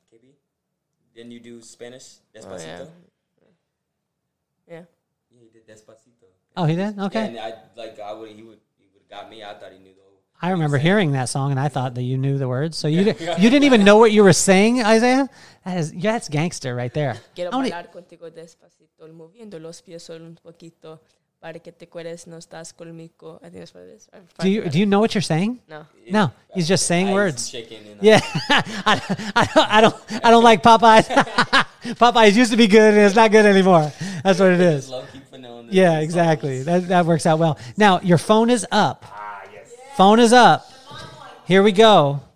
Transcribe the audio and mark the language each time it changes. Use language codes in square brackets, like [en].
[en] KB? Didn't you do Spanish? Despacito? Yeah. Yeah, he did Despacito. Oh, he did? Okay. Yeah, and he would have got me. I thought he knew the whole. I remember hearing that song, and I thought that you knew the words. So you didn't even know what you were saying, Isaiah? That's gangster right there. [es] Quiero bailar contigo despacito, moviendo los pies solo un poquito, para que te acuerdes no estás conmigo. [en] I think that's what it is. Do you know what you're saying? No. No, he's just saying words. Chicken. Yeah. I don't like Popeyes. Popeyes used to be good, and it's not good anymore. That's what it is. Yeah, exactly. That works out well. Now, your phone is up. Phone is up. Here we go.